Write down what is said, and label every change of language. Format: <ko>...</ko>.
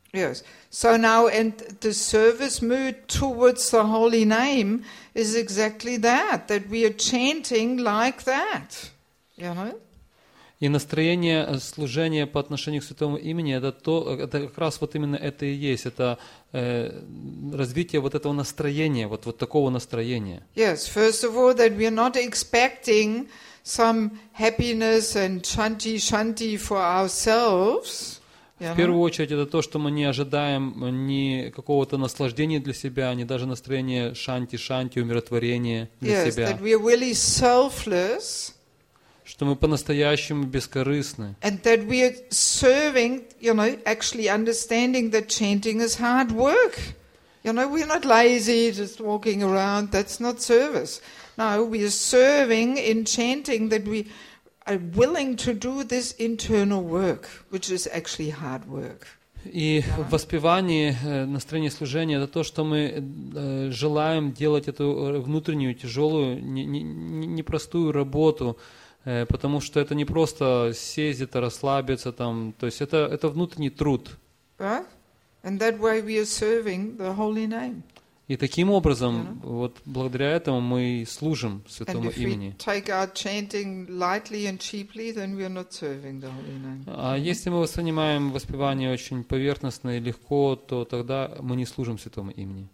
<en>Yes. So now, and the service mood towards the holy name is exactly that, that we are chanting like that, you know?</en> <ru>И настроение служения по отношению к святому имени – это как раз вот именно это и есть. Это развитие вот этого настроения, вот такого настроения.</ru> <en>Yes, first of all, that we are not expecting some happiness and shanti shanti for ourselves.</en> <ru>В первую очередь это то, что мы не ожидаем ни какого-то наслаждения для себя, ни даже настроения шанти-шанти, умиротворения для себя.</ru> <en>That we're really selfless,</en> <ru>что мы по-настоящему бескорыстны.</ru> <en>And that we're serving, you know, actually understanding that chanting is hard work. You know, we're not lazy, just walking around. That's not service. No, we are serving in chanting that we are willing to do this internal work, which is actually hard work.</en> <ru>И в воспевании, настроение служения, это то, что мы желаем делать эту внутреннюю тяжелую, непростую работу, потому что это не просто сесть где-то, расслабиться там. То есть это внутренний труд.</ru> <en>And that way we are serving the holy name.</en> <ru>И таким образом, вот благодаря этому мы служим святому имени.</ru> <en>And if we take our chanting lightly and cheaply, then we are not serving the holy name.</en> <ru>А если мы воспринимаем воспевание очень поверхностно и легко, то тогда мы не служим святому имени.</ru>